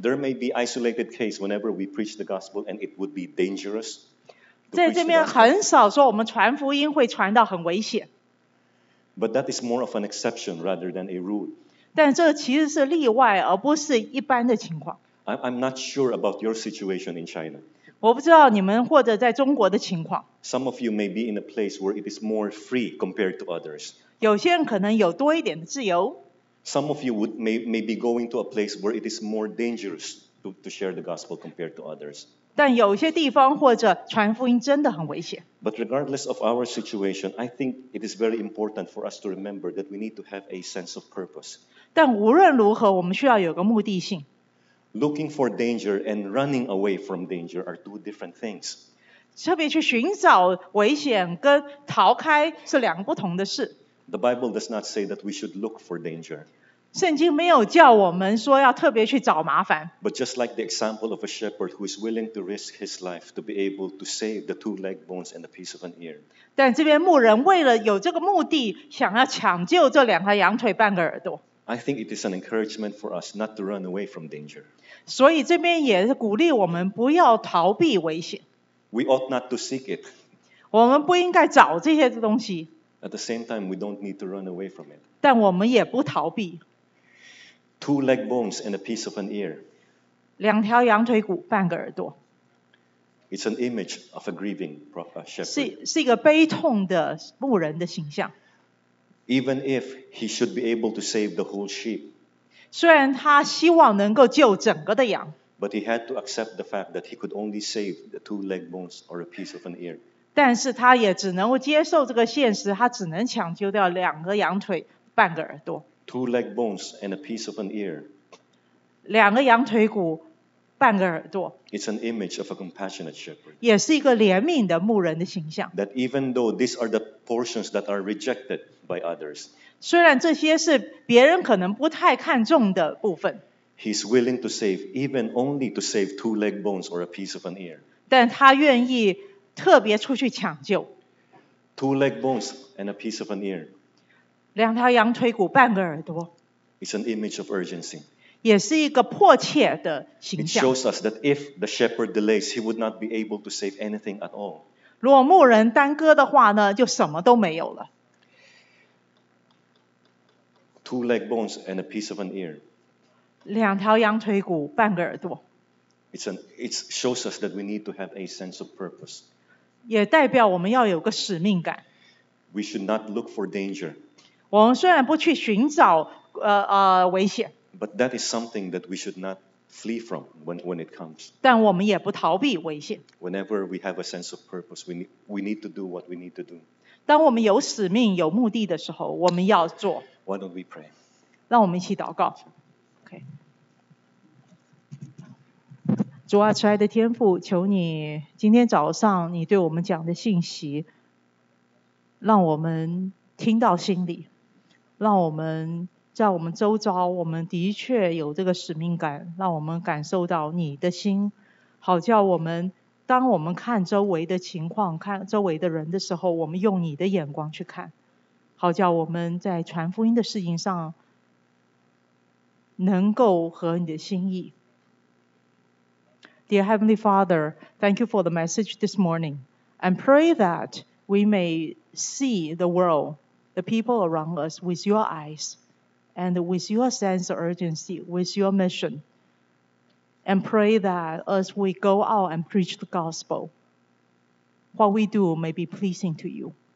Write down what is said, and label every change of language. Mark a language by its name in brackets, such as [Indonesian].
[English] There may be isolated case whenever we preach the gospel, and it would be dangerous. [Chinese] 在这边很少说我们传福音会传到很危险。 [English] But that is more of an exception rather than a rule. [Chinese] 但这其实是例外，而不是一般的情况。 [English] I'm not sure about your situation in China. [Chinese] 我不知道你们或者在中国的情况。 [English] Some of you may be in a place where it is more free compared to others. [Chinese] 有些人可能有多一点的自由。 [English] Some of you may be going to a place where it is more dangerous to share the gospel compared to others. [Chinese] 但有些地方或者传福音真的很危险。 [English] But regardless of our situation, I think it is very important for us to remember that we need to have a sense of purpose. [Chinese] 但无论如何，我们需要有个目的性。 [English] Looking for danger and running away from danger are two different things. [Chinese] 特别去寻找危险跟逃开是两个不同的事。 [English] The Bible does not say that we should look for danger. [Chinese] 圣经没有叫我们说要特别去找麻烦。 [English] But just like the example of a shepherd who is willing to risk his life to be able to save the two leg bones and a piece of an ear. [Chinese] 但这边牧人为了有这个目的，想要抢救这两条羊腿半个耳朵。 [English] I think it is an encouragement for us not to run away from danger. [Chinese] 所以这边也是鼓励我们不要逃避危险。 [English] We ought not to seek it. [Chinese] 我们不应该找这些东西。 [English] At the same time, we don't need to run away from it. [Chinese] 但我们也不逃避。 [English] Two leg bones and a piece of an ear. [Chinese] 两条羊腿骨，半个耳朵。 [English] It's an image of a grieving shepherd. [Chinese] 是一个悲痛的牧人的形象。 [English] Even if he should be able to save the whole sheep. [Chinese] 虽然他希望能够救整个的羊。 [English] But he had to accept the fact that he could only save the two leg bones or a piece of an ear. [Chinese] 但是他也只能接受这个现实，他只能抢救掉两个羊腿，半个耳朵。 [English] Two leg bones and a piece of an ear. [Chinese] 两个羊腿骨，半个耳朵。 [English] It's an image of a compassionate shepherd. [Chinese] 也是一个怜悯的牧人的形象。 [English] That even though these are the portions that are rejected,By others. [Chinese] 虽然这些是别人可能不太看重的部分。 [English] He's willing to save, even only to save two leg bones or a piece of an ear. [Chinese] 但他愿意特别出去抢救。 [English] Two leg bones and a piece of an ear. [Chinese] 两条羊腿骨半个耳朵。 [English] It's an image of urgency. [Chinese] 也是一个迫切的形象。 [English] It shows us that if the shepherd delays, he would not be able to save anything at all. [Chinese] 如果牧人耽搁的话呢，就什么都没有了。 [English] Two leg bones and a piece of an ear. [Chinese] 两条羊腿骨，半个耳朵。 [English] It shows us that we need to have a sense of purpose. [Chinese] 也代表我们要有个使命感。 [English] We should not look for danger. [Chinese] 我们虽然不去寻找危险。 [English] But that is something that we should not flee from when it comes. [Chinese] 但我们也不逃避危险。 [English] Whenever we have a sense of purpose, we need to do what we need to do. [Chinese] 当我们有使命、有目的的时候，我们要做。 [English] Why don't we pray? [Chinese] 让我们一起祷告。 [English] Okay. [Chinese] 主啊，慈爱的天父，求你今天早上你对我们讲的信息，让我们听到心里，让我们。在我们周遭，我们的确有这个使命感，让我们感受到你的心，好叫我们，当我们看周围的情况，看周围的人的时候，我们用你的眼光去看，好叫我们在传福音的事情上能够合你的心意。 [English] Dear Heavenly Father, thank you for the message this morning, and pray that we may see the world, the people around us with your eyes. And with your sense of urgency, with your mission, and pray that as we go out and preach the gospel, what we do may be pleasing to you.